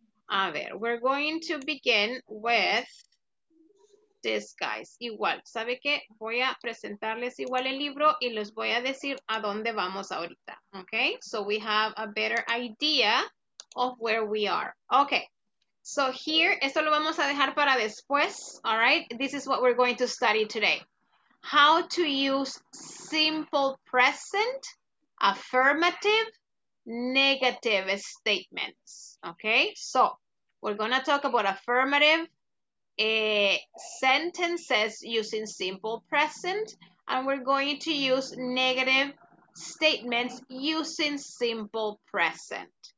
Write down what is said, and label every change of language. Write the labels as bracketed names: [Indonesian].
[Spanish] A ver, [English] we're going to begin with this, guys. [Spanish] Igual, ¿sabe qué? Voy a presentarles igual el libro y les voy a decir a dónde vamos ahorita, okay? [English] So we have a better idea of where we are. Okay, so here, [Spanish] esto lo vamos a dejar para después, [English] all right? This is what we're going to study today. How to use simple present, affirmative, negative statements, okay? So we're gonna talk about affirmative, sentences using simple present, and we're going to use negative statements using simple present.